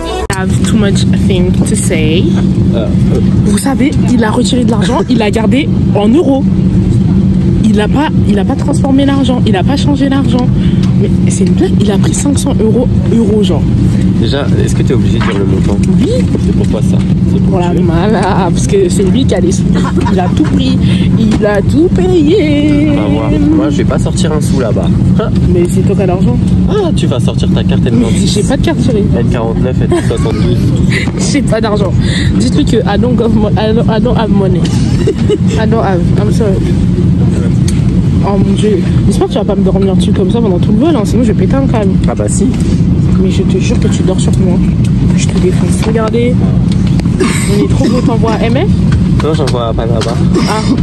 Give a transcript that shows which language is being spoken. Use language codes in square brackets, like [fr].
[en] I have too much thing to say. [fr] Vous savez, il a retiré de l'argent, il l'a gardé en euros. Il a pas transformé l'argent, il a pas changé l'argent. Mais c'est une blague, il a pris 500 euros, genre. Déjà, est-ce que tu es obligé de dire le montant? Oui. C'est pour quoi ça? C'est pour la mala, parce que c'est lui qui a les sous. Il a tout pris, il a tout payé. Ah, moi je vais pas sortir un sou là-bas. Mais c'est toi qui as l'argent. Ah, tu vas sortir ta carte N26. J'ai pas de carte chérie. N49, N72. J'ai pas d'argent. Dis-toi que [en] I don't have money. I'm sorry. [fr] Oh mon dieu, j'espère que tu vas pas me dormir dessus comme ça pendant tout le vol, hein. Sinon je vais péter un câble. Ah bah si. Mais je te jure que tu dors sur moi. Je te défonce. Regardez, on est trop beau, t'envoies MF? Non, j'envoie pas là-bas. Ah.